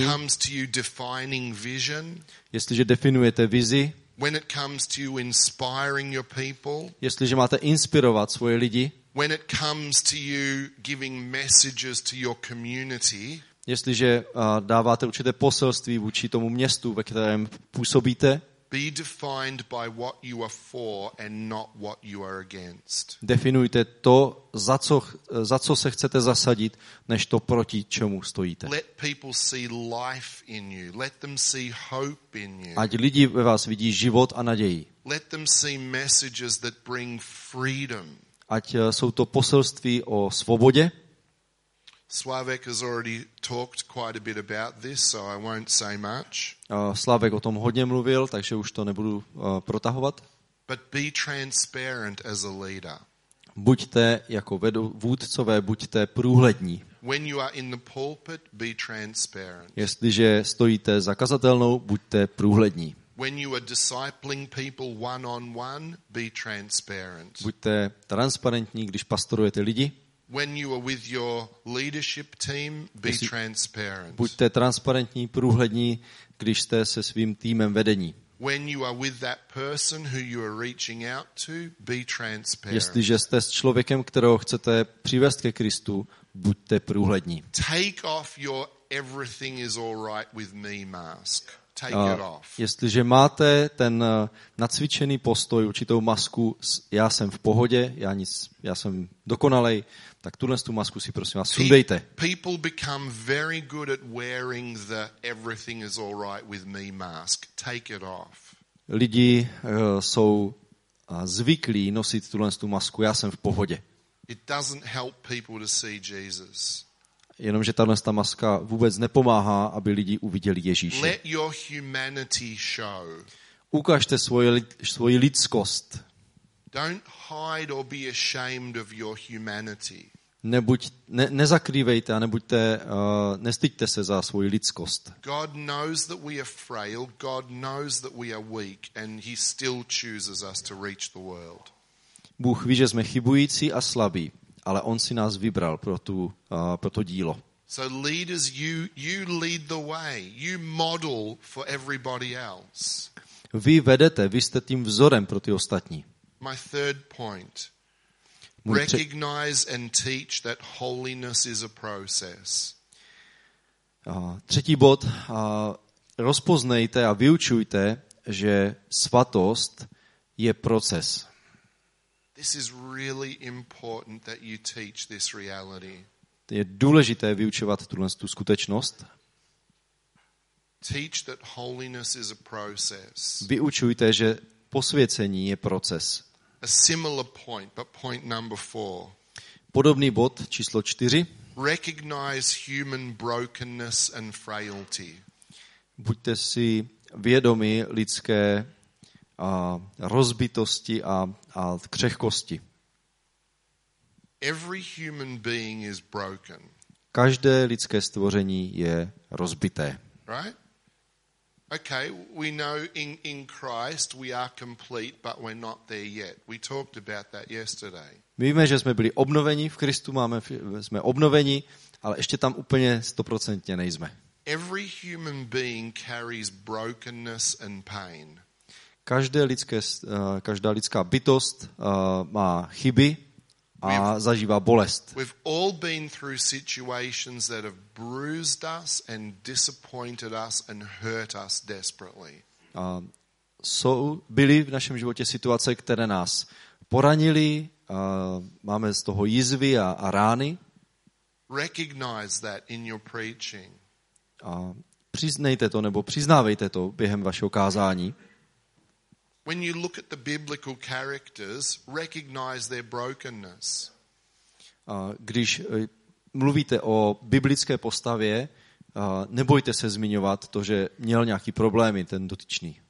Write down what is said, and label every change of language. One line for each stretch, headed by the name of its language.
English: when it comes to you defining vision,
Czech: jestliže definujete vizi,
English: when it comes to you inspiring your people,
Czech: jestliže máte inspirovat svoje lidi,
English: when it comes to you giving messages to your community,
Czech: jestliže dáváte určité poselství vůči tomu městu, ve kterém působíte,
English: be defined by what you are for and not what you are against.
Czech: Definujte to, za co se chcete zasadit, než to, proti čemu stojíte.
English: Let people see life in you. Let them see hope in you.
Czech: Ať lidi ve vás vidí život a naději.
English: Let them see messages that bring freedom.
Czech: Ať jsou to poselství o svobodě.
English: Slavek has already talked quite a bit about this, so I won't say much.
Czech: Slavek o tom hodně mluvil, takže už to nebudu protahovat.
English: But be transparent as a leader.
Czech: Buďte jako vůdcové, buďte průhlední.
English: When you are in the pulpit, be transparent.
Czech: Jestliže stojíte za kazatelnou, buďte průhlední.
English: When you are discipling people one on one, be transparent.
Czech: Buďte transparentní, když pastorujete lidi.
English: When you are with your leadership team, be transparent.
Czech: Buďte transparentní, průhlední, když jste se svým týmem vedení.
English: When you are with that person who you are reaching out to, be transparent.
Czech: Jestliže jste s člověkem, kterého chcete přivést ke Kristu, buďte průhlední.
English: Take off your everything is all right with me mask. Take it off.
Czech: Jestliže máte ten nacvičený postoj, určitou masku, já jsem v pohodě, já jsem dokonalej, tak tuhle tu masku si prosím vás sundejte.
English: People become very good at wearing the everything is all right with me mask. Take it off.
Czech: Lidi jsou zvyklí nosit tuhle tu masku, já jsem v pohodě.
English: It doesn't help people to see Jesus.
Czech: Jenomže tahle ta maska vůbec nepomáhá, aby lidi uviděli Ježíše.
English: Let your humanity show.
Czech: Ukažte svoji lidskost.
English: Don't hide or be ashamed of your humanity.
Czech: Nezakrývejte a nebuďte nestyďte se za svoji lidskost.
English: God knows that we are frail, God knows that we are weak and he still chooses us to reach the world.
Czech: Bůh ví, že jsme chybující a slabí. Ale on si nás vybral pro to dílo.
English: So leaders, you lead the way. You model for everybody else.
Czech: Vy vedete, vy jste tím vzorem pro ty ostatní.
English: My third point. Recognize and teach that holiness is a process.
Czech: Třetí bod. Rozpoznejte a vyučujte, že svatost je proces.
English: This is really important that you teach this reality.
Czech: Je důležité vyučovat tuto skutečnost.
English: Teach that holiness is a process.
Czech: Vyučujte, že posvěcení je proces.
English: A similar point, but point number four.
Czech: Podobný bod číslo 4.
English: Recognize human brokenness and frailty.
Czech: Buďte si vědomi lidské rozbitosti a křehkosti.
English: Every human being is broken.
Czech: Každé lidské stvoření je rozbité.
English: Right? Okay, we know in Christ we are complete, but we're not there yet. We talked about that yesterday.
Czech: My víme, že jsme byli obnoveni v Kristu, jsme obnoveni, ale ještě tam úplně 100% nejsme.
English: Every human being carries brokenness and pain.
Czech: Každá lidská bytost má chyby a zažívá bolest.
English: We've all been through situations that have bruised us and disappointed us and hurt us desperately.
Czech: Byly v našem životě situace, které nás poranily, máme z toho jizvy a rány.
English: Recognize that in your preaching.
Czech: A přiznejte to nebo přiznávejte to během vašeho kázání.
English: When you look at the biblical characters, recognize their brokenness.
Czech: Když mluvíte o biblické postavě, nebojte se zmiňovat to, že měl nějaký problémy ten dotyčný.